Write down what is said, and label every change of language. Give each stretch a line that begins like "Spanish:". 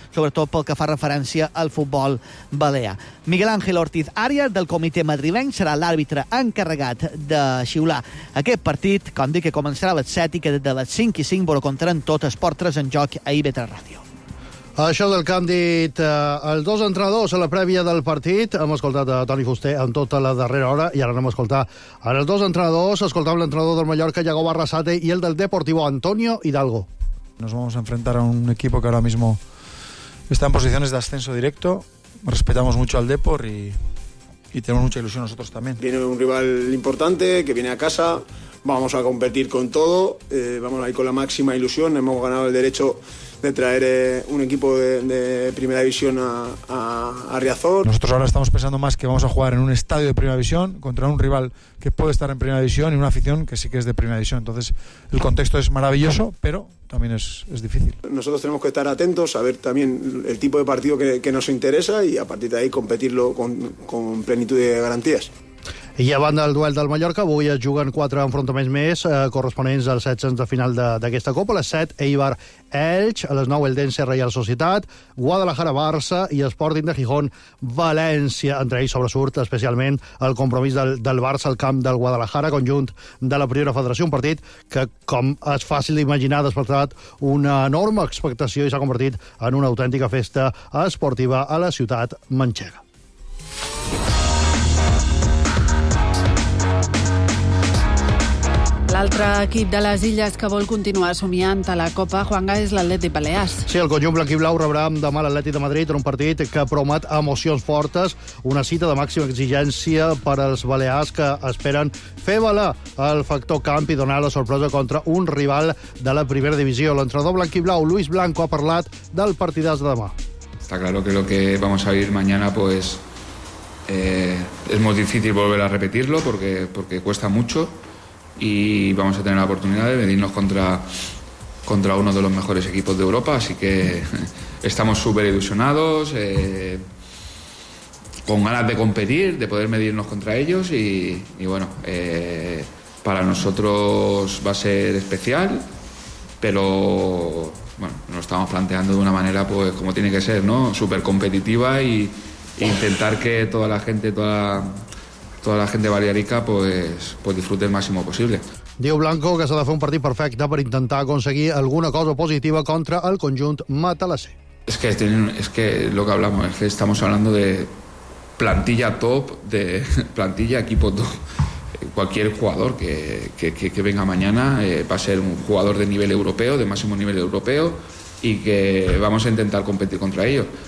Catalan: Sobretot pel que fa referència al futbol balear. Miguel Ángel Ortiz Arias, del comitè madrileny, serà l'àrbitre encarregat de xiular aquest partit, com dic, que començarà a les 7 i que des de les 5:05 vol contra en tot Esport 3 en joc a IB3 Ràdio. Això del que han dit els dos entrenadors a la prèvia del partit. Hem escoltat a Toni Fuster en tota la darrera hora i ara anem a escoltar els dos entrenadors. Escoltem l'entrenador del Mallorca, Iago Barrasate, i el del Deportivo, Antonio Hidalgo.
Spanish: Nos vamos a enfrentar a un equipo que ahora mismo está en posiciones de ascenso directo. Respetamos mucho al Depor y y tenemos mucha ilusión nosotros también. Viene un rival importante que viene a casa, vamos a competir con todo, vamos a ir con la máxima ilusión. Hemos ganado el derecho de traer un equipo de primera división a Riazor. Nosotros ahora estamos pensando más que vamos a jugar en un estadio de primera división contra un rival que puede estar en primera división y una afición que sí que es de primera división. Entonces, el contexto es maravilloso, pero también es difícil. Nosotros tenemos que estar atentos, saber también el tipo de partido que nos interesa y a partir de ahí competirlo con plenitud de garantías.
Catalan: I a banda del duel del Mallorca, avui es juguen 4 enfrontaments més corresponents als 16 de final d'aquesta Copa. A les 7, Eibar Elche, a les 9, Eldense Real Societat, Guadalajara Barça i Sporting de Gijón València. Entre ells sobresurt especialment el compromís del Barça al camp del Guadalajara, conjunt de la Primera Federació. Un partit que, com és fàcil d'imaginar, ha despertat una enorme expectació i s'ha convertit en una autèntica festa esportiva a la ciutat manxega. L'altre equip de les Illes que vol continuar somiant a la Copa, Juanga, és l'Atlètic Balears. Sí, el conjunt blanquiblau rebrà demà l'Atlètic de Madrid en un partit que promet emocions fortes, una cita de màxima exigència per als balears que esperen fer valer el factor camp i donar la sorpresa contra un rival de la primera divisió. L'entrenador blanquiblau, Luis Blanco, ha parlat del partidàs de demà.
Spanish: Está claro que lo que vamos a vivir mañana, pues, es muy difícil volver a repetirlo porque cuesta mucho. Y vamos a tener la oportunidad de medirnos contra uno de los mejores equipos de Europa, así que estamos súper ilusionados, con ganas de competir, de poder medirnos contra ellos y bueno, para nosotros va a ser especial, pero bueno, nos estamos planteando de una manera pues como tiene que ser, ¿no? Súper competitiva e intentar que toda la gente, toda la gente balearica pues disfrute el máximo posible.
Catalan: Diu Blanco que s'ha de fer un partit perfecte per intentar aconseguir alguna cosa positiva contra el conjunt matalasser.
Spanish: Es que lo que hablamos es que estamos hablando de plantilla top, de plantilla equipo top. Cualquier jugador que venga mañana va a ser un jugador de nivel europeo, de máximo nivel europeo, y que vamos a intentar competir contra ellos.